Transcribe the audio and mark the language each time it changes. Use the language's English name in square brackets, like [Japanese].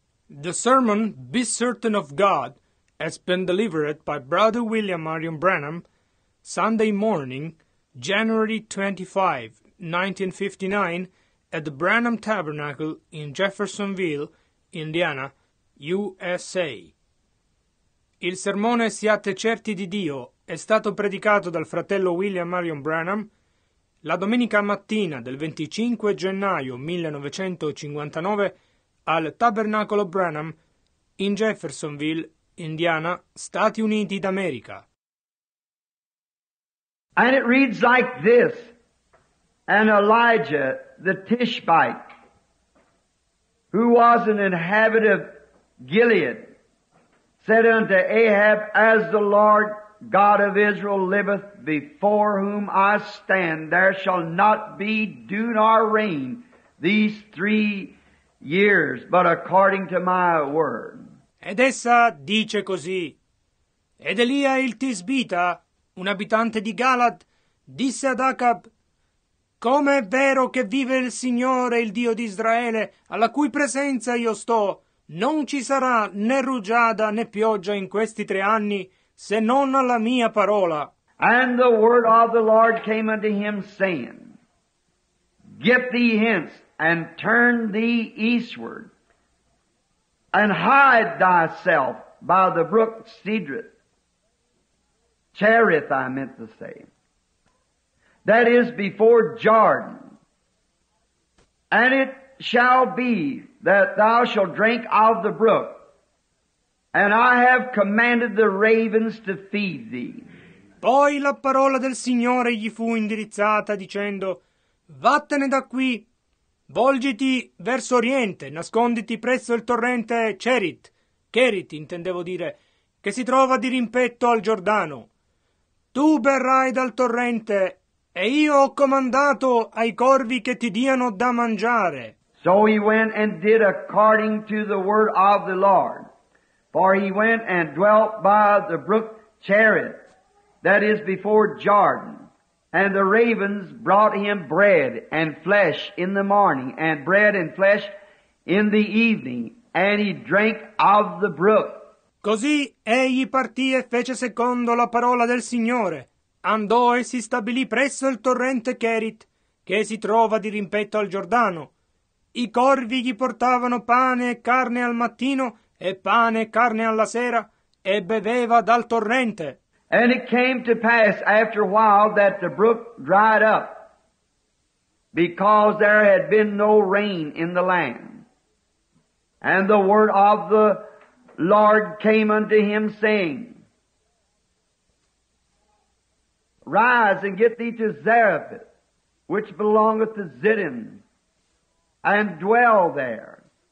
[English] The sermon, Be Certain of God, has been delivered by Brother William Marion Branham, Sunday morning, January 25, 1959, at the Branham Tabernacle in Jeffersonville, Indiana, USA. [Italian] Il sermone Siate certi di Dio è stato predicato dal fratello William Marion Branham la domenica mattina del 25 gennaio 1959 al Tabernacolo Branham in Jeffersonville, Indiana, Stati Uniti d'America. [English] And it reads like this, and Elijah the Tishbite, who was an inhabitant of Gilead, said unto Ahab, As the Lord God of Israel liveth, before whom I stand, there shall not be dew nor rain these 3 years, but according to my word. [Italian] Ed essa dice così, ed Elia il Tisbita, un abitante di Galad, disse ad Acab, Come è vero che vive il Signore, il Dio di Israele, alla cui presenza io sto, non ci sarà né rugiada né pioggia in questi 3 anni, se non alla mia parola. [English] And the word of the Lord came unto him, saying, Get thee hence, and turn thee eastward, and hide thyself by the brook Cedrith. Cherith, I meant to say. That is before Jordan. And it shall be that thou shalt drink of the brook, and I have commanded the ravens to feed thee. [Italian] Poi la parola del Signore gli fu indirizzata, dicendo, Vattene da qui, volgiti verso oriente, nasconditi presso il torrente Cherith, Cherith intendevo dire, che si trova di rimpetto al Giordano. Tu berrai dal torrente, e io ho comandato ai corvi che ti diano da mangiare. [English] So he went and did according to the word of the Lord, for he went and dwelt by the brook Cherith, that is before Jordan. And the ravens brought him bread and flesh in the morning, and bread and flesh in the evening, and he drank of the brook. [Italian] Così egli partì e fece secondo la parola del Signore. Andò e si stabilì presso il torrente Cherith, che si trova di rimpetto al Giordano. I corvi gli portavano pane e carne al mattino e pane e carne alla sera, e beveva dal torrente. [English] And it came to pass after a while that the brook dried up, because there had been no rain in the land. And the word of the Lord came unto him, saying, Rise and get thee to Zarephath, which belongeth to Zidon, and dwell there.